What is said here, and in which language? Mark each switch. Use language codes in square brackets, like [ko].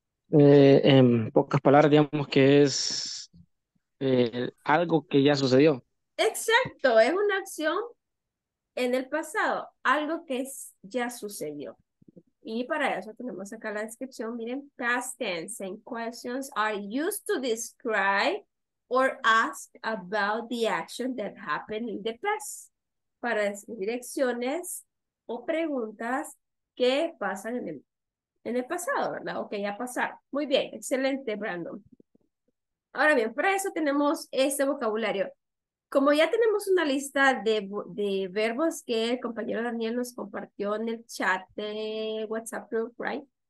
[es] En pocas palabras, digamos que es algo que ya sucedió. Exacto, es una acción en el pasado, algo que es, ya sucedió. Y para eso tenemos acá la descripción. [en] Miren, past tense and questions are used to describe or ask about the action that happened in the past. [es] Para describir acciones o preguntas que pasan en el pasado, ¿verdad? O que ya pasaron. Muy bien, excelente, Brandon. Ahora bien, para eso tenemos este vocabulario. Como ya tenemos una lista de verbos que el compañero Daniel nos compartió en el chat de WhatsApp Group, ¿right?